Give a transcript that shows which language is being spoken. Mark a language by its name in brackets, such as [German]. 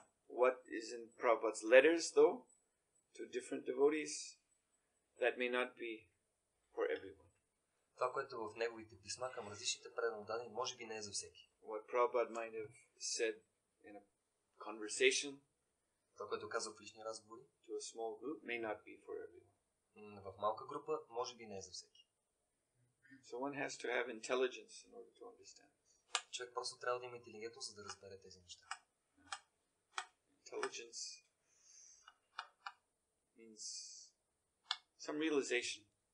[English] What is in Prabhupada's letters, though, to different devotees, that may not be for everyone. [Bulgarian] Това, което в неговите писма към различните преданодани, може би не е за всеки. [English] What Prabhupada might have said in a conversation, [Bulgarian] това, което казва в лични разговори, [English] to a small group, may not be for everyone. [Bulgarian] В малка група, може би не е за всеки. [English] So one has to have intelligence in order to understand. [Bulgarian] Човек просто трябва да има интелигентност, за да разбере тези неща. [English] Intelligence means some realization.